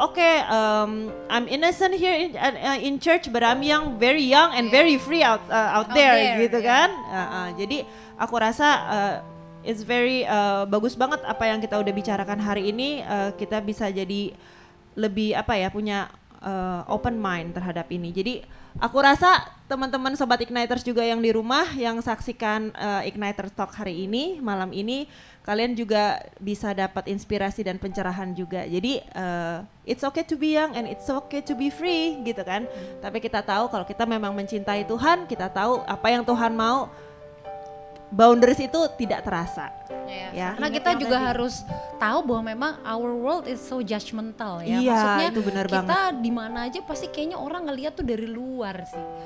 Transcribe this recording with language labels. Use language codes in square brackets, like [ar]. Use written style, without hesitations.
[en] Oke, okay, I'm innocent here in church but I'm young, very young and very free out there [id] gitu kan. Jadi aku rasa [en] it's very [id] bagus banget apa yang kita udah bicarakan hari ini. Kita bisa jadi lebih apa ya, punya [en] open mind [id] terhadap ini. Jadi aku rasa teman-teman Sobat Igniters juga yang di rumah yang saksikan Igniter Talk hari ini, malam ini, kalian juga bisa dapat inspirasi dan pencerahan juga. Jadi [en] it's okay to be young and it's okay to be free [id] gitu kan. Tapi kita tahu kalau kita memang mencintai Tuhan, kita tahu apa yang Tuhan mau, boundaries itu tidak terasa. Ya, karena kita juga tadi harus tahu bahwa memang [en] our world is so judgmental [id] ya. Iya, maksudnya itu benar banget. Kita di mana aja pasti kayaknya orang ngelihat tuh dari luar sih.